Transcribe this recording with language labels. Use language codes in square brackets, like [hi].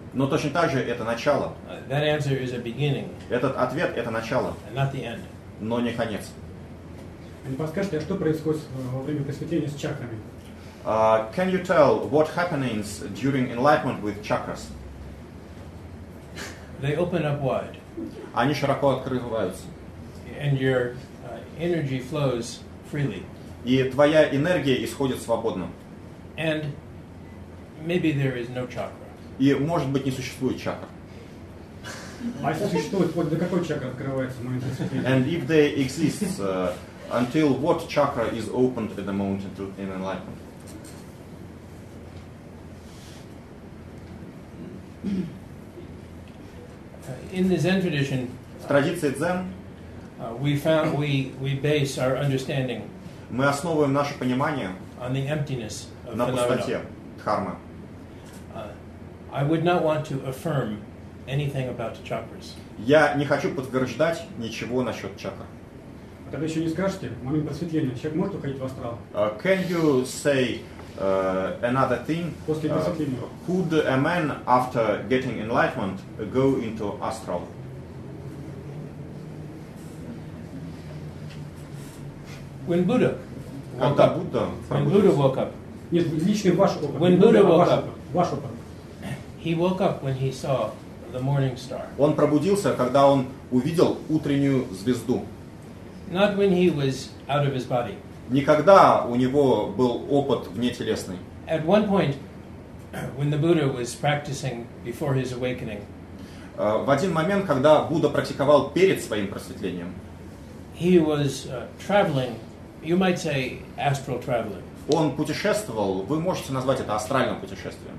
[ru] Но точно так же это начало. [en] That answer is a beginning. [ru] Этот ответ — это начало. [en] And not the end. [ru] Но не конец. Не подскажете, а что происходит во время просветления с чакрами? [en] Can you tell what happens during enlightenment with chakras? They open up wide. [ru] Они широко открываются. [en] And your energy flows freely. [ru] И твоя энергия исходит свободно. [en] And maybe there is no chakra. [ru] И может быть не существует чакр. А если существует, вот до какой чакры открывается в момент просветления? [en] And if they exist, until what chakra is opened at the moment in enlightenment? In the Zen tradition, [ru] в традиции дзен, [en] we base our understanding. [ru] Мы основываем наше понимание [en] on the emptiness of [ru] на пустоте дхармы. [en] I would not want to affirm anything about chakras. [ru] Я не хочу подтверждать ничего насчет чакр. Тогда еще не скажете, в момент просветления человек может уходить в астрал? [en] Can you say another thing? [ru] После просветления. [en] Could a man, after getting enlightenment, go into astral? When Buddha [ru] Когда Будда пробудился. Нет, лично ваш опыт. [en] When Buddha woke up. [ru] Ваш опыт. [en] He woke up when he saw the morning star. [ru] Он пробудился, когда он увидел утреннюю звезду. [en] Not when he was out of his body. [ru] Никогда у него был опыт внетелесный. [en] At one point, when the Buddha was practicing before his awakening. [ru] В один момент, когда Будда практиковал перед своим просветлением. [en] He was traveling, you might say, astral traveling. [ru] Он путешествовал, вы можете назвать это астральным путешествием.